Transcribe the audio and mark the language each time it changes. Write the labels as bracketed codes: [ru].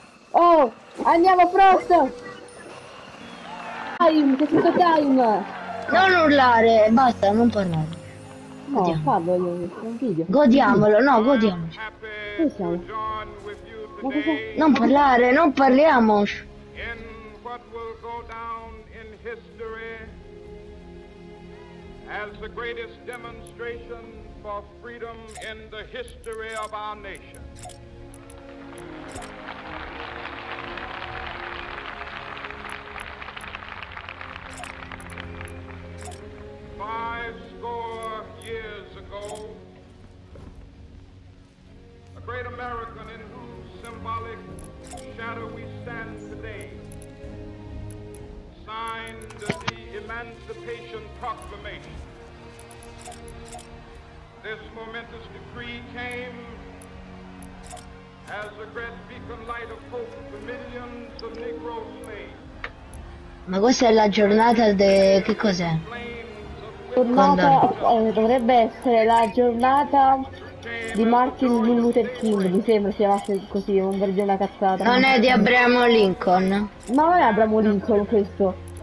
[it] Oh, andiamo Frost! Time, che tutto time! Non urlare, basta, non parlare. No, parlo io, un video. Godiamolo, no, godiamoci. Dove siamo? Ma cosa? Non parlare, non parliamo! [en] In what will go down in history as the greatest demonstration for freedom in the history of our nation. Five score years ago, a great American in whose symbolic shadow we stand today signed the Emancipation Proclamation. This momentous decree came as a great beacon light of hope for millions of Negro slaves. [it] Ma questa è la giornata che cos'è? Giornata, dovrebbe essere la giornata di Martin Luther King, mi sembra si chiamasse così, non vorrei dire una cazzata. Non è di Abraham Lincoln. No, è Abraham Lincoln questo.